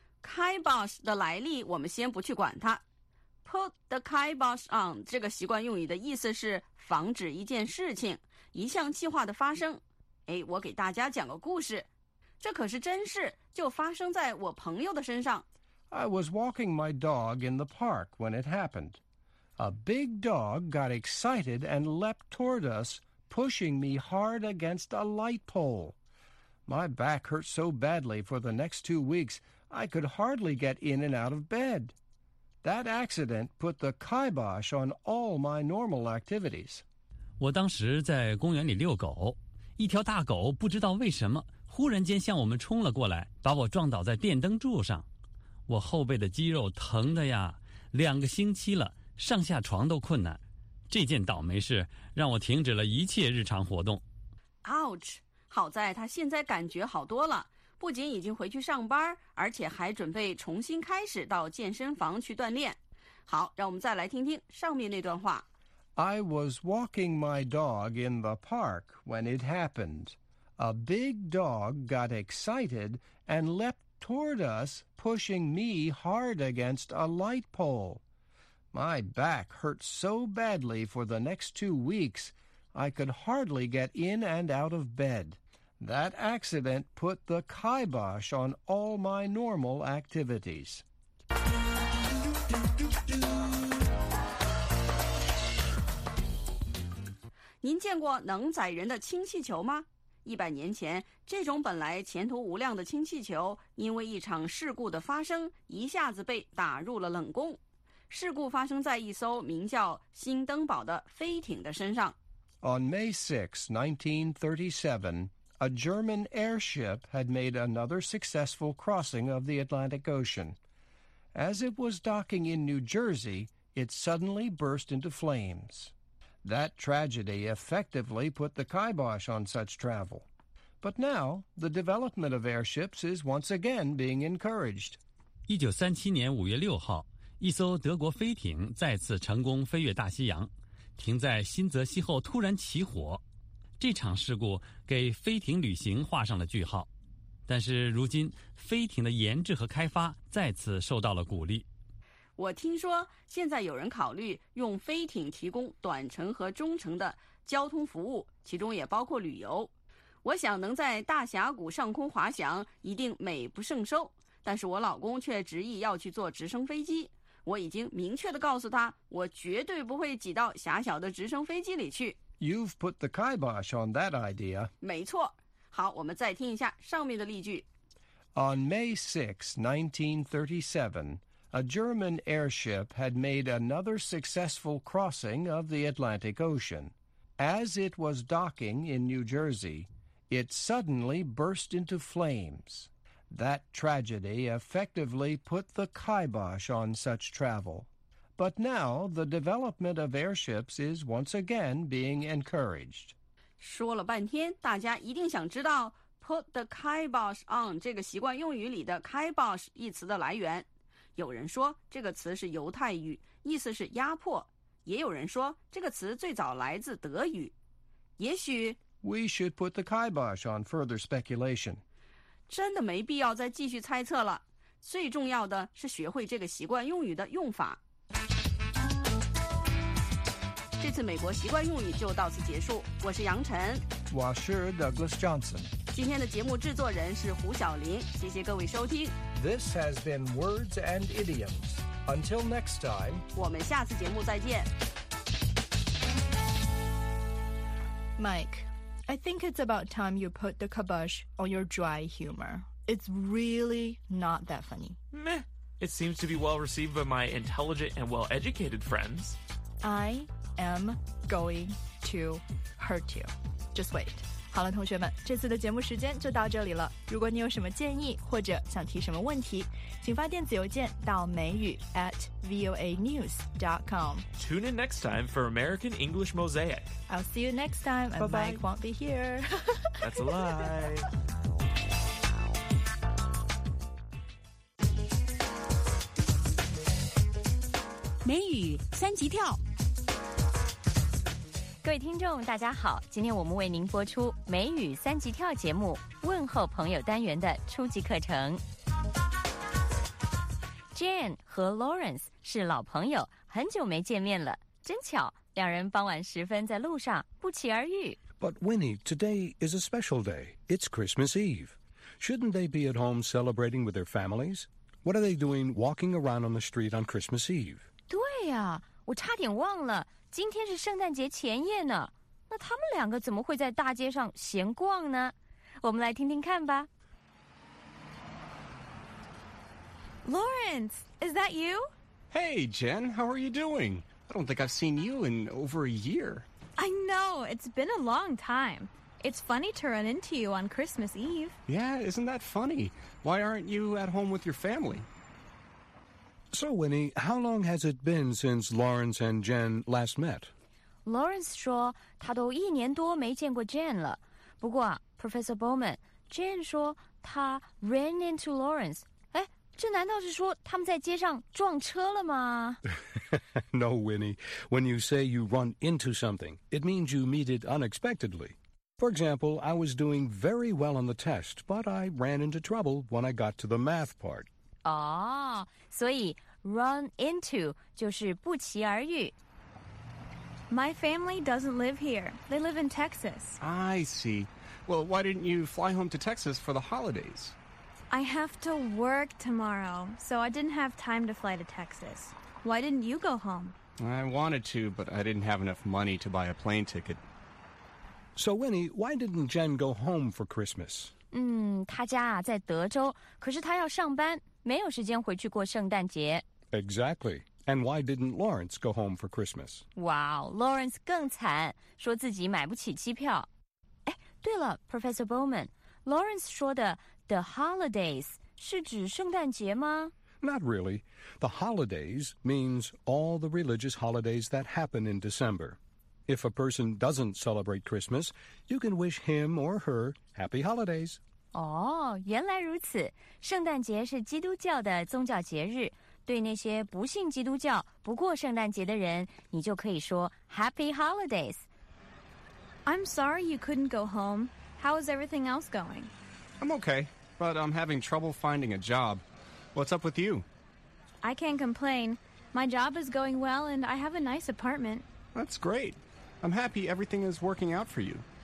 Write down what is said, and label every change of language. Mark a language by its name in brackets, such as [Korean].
[Chinese] Kibosh 的来历我们先不去管它。 [English] Put the kibosh on [Chinese] 这个习惯用语的意思是防止一件事情、一项计划的发生。哎，我给大家讲个故事，这可是真事，就发生在我朋友的身上。 [English] I was walking my dog in the park when it happened. A big dog got excited and leapt toward us, pushing me hard against a light pole. My back hurt so badly for the next 2 weeks, I could hardly get in and out of bed. That accident put the kibosh on all my normal activities. [Chinese] 我当时在公园里遛狗，一条大狗不知道为什么忽然间向我们冲了过来，把我撞倒在电灯柱上。我后背的肌肉疼得呀，两个星期了，上下床都困难。这件倒霉事让我停止了一切日常活动。 [English] Ouch！ [Chinese] 好在他现在感觉好多了，不仅已经回去上班，而且还准备重新开始到健身房去锻炼。好，让我们再来听听上面那段话。 [English] I was walking my dog in the park when it happened. A big dog got excited and leapt toward us, pushing me hard against a light pole. My back hurt so badly for the next 2 weeks, I could hardly get in and out of bed. That accident put the kibosh on all my normal activities. [Chinese] 您见过能载人的氢气球吗？100年前，这种本来前途无量的氢气球，因为一场事故的发生，一下子被打入了冷宫。事故发生在一艘名叫“新登堡”的飞艇的身上。 [English] On May 6, 1937, a German airship had made another successful crossing of the Atlantic Ocean. As it was docking in New Jersey, it suddenly burst into flames. That tragedy effectively put the kibosh on such travel. But now, the development of airships is once again being encouraged. [Chinese] 1937年5月6号，一艘德国飞艇再次成功飞越大西洋，停在新泽西后突然起火。这场事故给飞艇旅行画上了句号。但是如今，飞艇的研制和开发再次受到了鼓励。我听说现在有人考虑用飞艇提供短程和中程的交通服务，其中也包括旅游。我想能在大峡谷上空滑翔一定美不胜收，但是我老公却执意要去坐直升飞机。我已经明确地告诉他，我绝对不会挤到狭小的直升飞机里去。 [English] You've put the kibosh on that idea. [Chinese] 没错。好，我们再听一下上面的例句。 [English] On May 6, 1937, A German airship had made another successful crossing of the Atlantic Ocean. As it was docking in New Jersey, it suddenly burst into flames. That tragedy effectively put the kibosh on such travel. But now the development of airships is once again being encouraged. [Chinese] 说了半天，大家一定想知道 [English] put the kibosh on [Chinese] 这个习惯用语里的 kibosh 一词的来源。有人说这个词是犹太语，意思是压迫，也有人说这个词最早来自德语。也许 [English] We should put the kibosh on further speculation. [Chinese] 真的没必要再继续猜测了，最重要的是学会这个习惯用语的用法。这次美国习惯用语就到此结束，我是杨晨，我是 Douglas Johnson。今天的节目制作人是胡晓琳，谢谢各位收听。 [English] This has been Words and Idioms. Until next time, [Chinese] 我们下次节目再见。 [English] Mike, I think it's about time you put the kibosh on your dry humor. It's really not that funny. Meh, it seems to be well received by my intelligent and well-educated friends. I am going to hurt you. Just wait. [Chinese] 好了，同学们，这次的节目时间就到这里了。如果你有什么建议或者想提什么问题，请发电子邮件到美语@voanews.com. [English] Tune in next time for American English Mosaic. I'll see you next time. Bye-bye. And Mike won't be here. That's a lie. [Chinese] 美语三级跳。各位听众大家好，今天我们为您播出美语三级跳节目问候朋友单元的初级课程。 Jane 和 Lawrence 是老朋友，很久没见面了，真巧，两人傍晚时分在路上不期而遇。 [English] But Winnie, today is a special day. It's Christmas Eve. Shouldn't they be at home celebrating with their families? What are they doing walking around on the street on Christmas Eve? [Chinese] 对呀、啊，我差点忘了，今天是圣诞节前夜呢。那他们两个怎么会在大街上闲逛呢？我们来听听看吧。 [English] Lawrence, is that you? Hey, Jen, how are you doing? I don't think I've seen you in over a year. I know, it's been a long time. It's funny to run into you on Christmas Eve. Yeah, isn't that funny? Why aren't you at home with your family? So, Winnie, how long has it been since Lawrence and Jen last met? [Chinese] Lawrence 说他都一年多没见过 Jen 了。不过 Professor Bowman, Jen 说他 [English] ran into [Chinese] Lawrence. 这难道是说他们在街上撞车了吗 [English] No, Winnie. When you say you run into something, it means you meet it unexpectedly. For example, I was doing very well on the test, but I ran into trouble when I got to the math part. [Chinese] 哦、oh, ，所以 [English] run into [Chinese] 就是不期而遇。 [English] My family doesn't live here. They live in Texas. I see. Well, why didn't you fly home to Texas for the holidays? I have to work tomorrow, so I didn't have time to fly to Texas. Why didn't you go home? I wanted to, but I didn't have enough money to buy a plane ticket. So, Winnie, why didn't Jen go home for Christmas? [Chinese] 她家在德州，可是她要上班，没有时间回去过圣诞节。 [English] Exactly. And why didn't Lawrence go home for Christmas? [Chinese] Wow, Lawrence 更惨，说自己买不起机票。哎，对了，Professor Bowman, Lawrence 说的 [English] The holidays [Chinese] 是指圣诞节吗 [English] Not really. The holidays means all the religious holidays that happen in December. If a person doesn't celebrate Christmas, you can wish him or her happy holidays. [Chinese] 哦、oh, ，原来如此。圣诞节是基督教的宗教节日，对那些不信基督教、不过圣诞节的人，你就可以说 [English] happy holidays. I'm sorry you couldn't go home. How is everything else going? I'm okay, but I'm having trouble finding a job. What's up with you? I can't complain. My job is going well, and I have a nice apartment. That's great. I'm happy everything is working out for you.